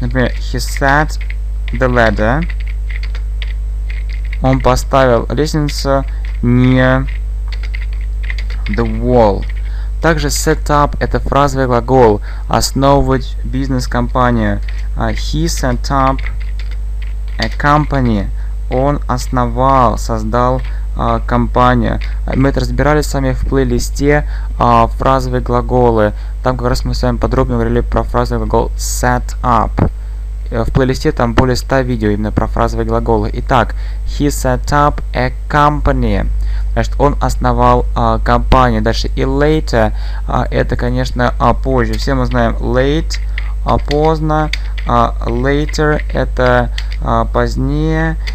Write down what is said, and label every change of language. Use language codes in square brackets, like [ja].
[ru] Например, [en] he set the ladder. [ru] Он поставил лестницу [en] near the wall. [ru] Также set up – это фразовый глагол. Основывать бизнес-компанию. [en] He set up a company. [ru] Он основал, создал компанию. Мы это разбирали с вами в плейлисте фразовые глаголы. Там как раз мы с вами подробно говорили про фразовый глагол set up. В плейлисте там более 100 видео именно про фразовые глаголы. Итак, [en] he set up a company. [ru] Значит, он основал компанию. Дальше, и later, это, конечно, позже. Все мы знаем late, поздно. Later – это позднее.